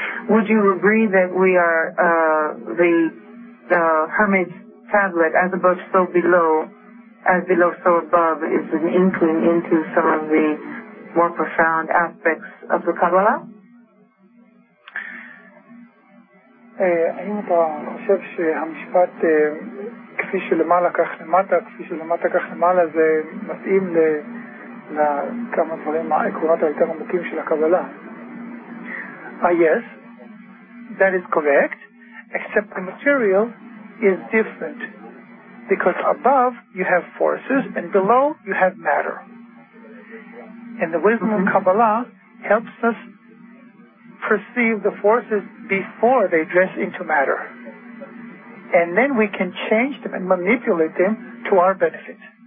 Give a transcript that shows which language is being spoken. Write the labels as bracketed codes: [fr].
[en] Would you agree that we are the Hermes tablet, as above, so below, as below, so above, is an inkling into some of the more profound aspects of the Kabbalah? [he] האם אתה חושב שהמשפט כפי שלמעלה כך למטה, כפי שלמטה כך למעלה, זה מתאים לכמה דברים העקרונות היותר עמוקים של הקבלה? [en] Yes, that is correct, except the material is different, because above you have forces and below you have matter. And the wisdom of Kabbalah helps us perceive the forces before they dress into matter, and then we can change them and manipulate them to our benefit.